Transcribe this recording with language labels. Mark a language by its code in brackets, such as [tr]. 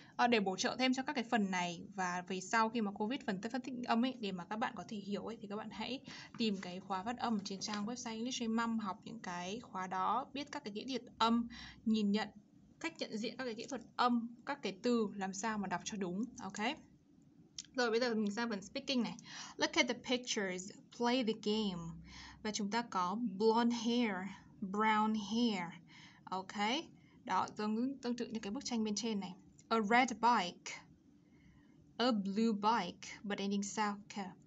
[vi] Để bổ trợ thêm cho các cái phần này và về sau khi mà cô viết phần phân tích âm ấy, để mà các bạn có thể hiểu ấy, thì các bạn hãy tìm cái khóa phát âm trên trang website English Dream Mom, học những cái khóa đó, biết các cái kỹ thuật âm, nhìn nhận cách nhận diện các cái kỹ thuật âm, các cái từ làm sao mà đọc cho đúng, ok? Rồi bây giờ mình sang phần speaking này. [en] Look at the pictures, play the game. [vi] Và chúng ta có [en] blonde hair, brown hair, ok? [vi] Đó, tương tự như cái bức tranh bên trên này. [en] A red bike, a blue bike, but ending south.